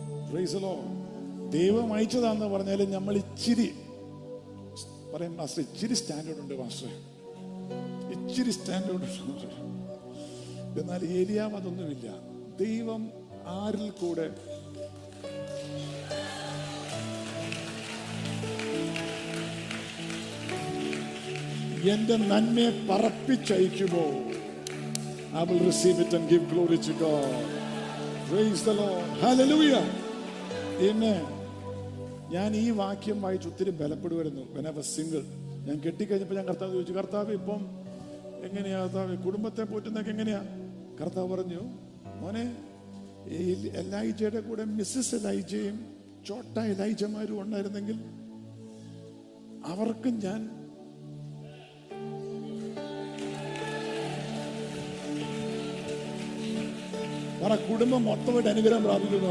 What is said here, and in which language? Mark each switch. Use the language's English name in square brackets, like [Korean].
[English] Praise the lord. [Malayalam] ദൈവം അയച്ചതാന്ന് പറഞ്ഞാല് നമ്മൾ ഇച്ചിരി പറയും, മാസ്റ്റർ ഇച്ചിരി സ്റ്റാൻഡേർഡ് ഉണ്ട്, മാസ്റ്റർ ഇച്ചിരി സ്റ്റാൻഡേർഡ് ഉണ്ട്. എന്നാൽ ഏലിയാവ് അതൊന്നുമില്ല. ദൈവം ആരിൽ കൂടെ എന്റെ നന്മയെ പറപ്പിച്ചയക്കുമോ? [English] I will receive it and give glory to God. Praise the Lord. Hallelujah. Amen. [Malayalam] ഞാൻ ഈ വാക്യം വായിച്ച് ഒത്തിരി ബലപ്പെടുവായിരുന്നു. [English] When I was single, [Malayalam] ഞാൻ കെട്ടിക്കഴിഞ്ഞപ്പോ ഞാൻ കർത്താവ് ചോദിച്ചു, കർത്താവ് ഇപ്പം എങ്ങനെയാ കർത്താവ് കുടുംബത്തെ പോറ്റുന്നൊക്കെ എങ്ങനെയാ? കർത്താവ് പറഞ്ഞു, മോനെ എലൈജയുടെ കൂടെ മിസ്സസ് എലൈജയും ചോട്ട എലൈജമാരും ഉണ്ടായിരുന്നെങ്കിൽ അവർക്കും ഞാൻ പറ കുടുംബം മൊത്തമായിട്ട് അനുഗ്രഹം പ്രാപിക്കുന്നു.